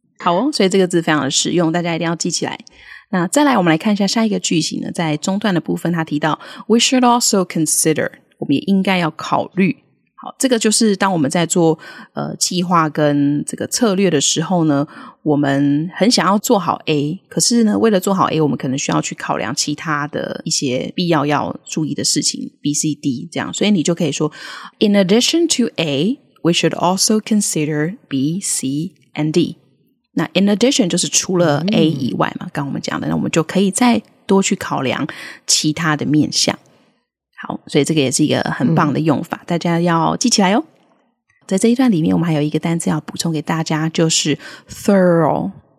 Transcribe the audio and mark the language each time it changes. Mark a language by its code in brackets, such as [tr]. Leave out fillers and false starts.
[zh] 好哦，所以这个字非常的实用，大家一定要记起来。那再来我们来看一下下一个句型呢，在中段的部分他提到 [en] We should also consider， [zh] 我们也应该要考虑。好，这个就是当我们在做计划跟这个策略的时候呢，我们很想要做好 A， 可是呢为了做好 A， 我们可能需要去考量其他的一些必要要注意的事情 BCD 这样。所以你就可以说 [en] In addition to A We should also consider B, C and D。 [zh] 那 in addition 就是除了 A 以外嘛，刚我们讲的，那我们就可以再多去考量其他的面向。好，所以这个也是一个很棒的用法，大家要记起来哦。在这一段里面，我们还有一个单字要补充给大家，就是 thorough。